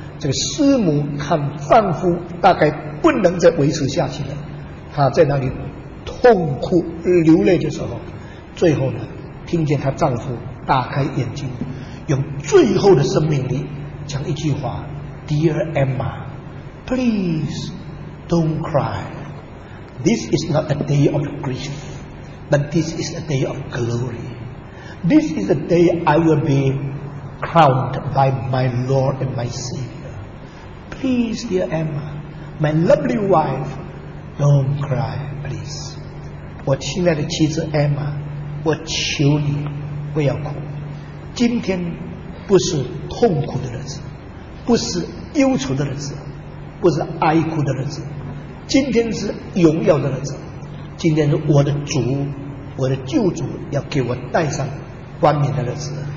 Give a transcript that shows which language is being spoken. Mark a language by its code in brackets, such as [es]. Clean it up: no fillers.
[zh] 这个师母看丈夫大概不能再维持下去了，他在那里痛哭流泪的时候，最后呢听见他丈夫大开眼睛，用最后的生命力讲一句话， [en] Dear Emma, PleaseDon't cry. This is not a day of grief, but this is a day of glory. This is a day I will be crowned by my Lord and my Savior. Please, dear Emma, my lovely wife, don't cry, please. [zh] 我亲爱的妻子 Emma, 我求你不要哭。今天不是痛苦的日子，不是忧愁的日子，不是哀哭的日子。今天是荣耀的日子，今天是我的主，我的救主要给我戴上冠冕的日子。